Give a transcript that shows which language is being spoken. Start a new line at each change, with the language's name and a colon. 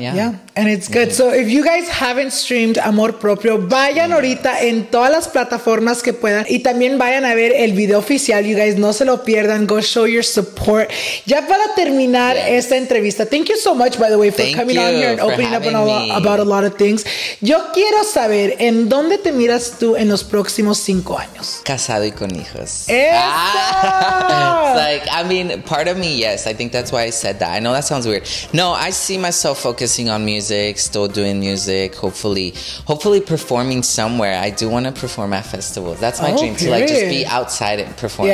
English: And it's good. So if you guys haven't streamed
Spanish: Amor Propio, vayan ahorita en todas las plataformas que puedan, y también vayan a ver el video oficial.
English: You guys,
Spanish: no se lo pierdan.
English: Go show your support.
Spanish: Ya para terminar esta entrevista,
English: thank you so much, by the way, for coming on here and opening up about a lot of things.
Spanish: Yo quiero saber, ¿en dónde te miras tú en los próximos 5 años? Casado y con hijos. ¡Eso! Ah.
English: It's like, I mean, part of me, yes, I think that's why I said that. I know that sounds weird. No, I see myself focusing on music, still doing music, hopefully performing somewhere. I do want to perform at festivals. That's my dream, to, like, just be outside and performing.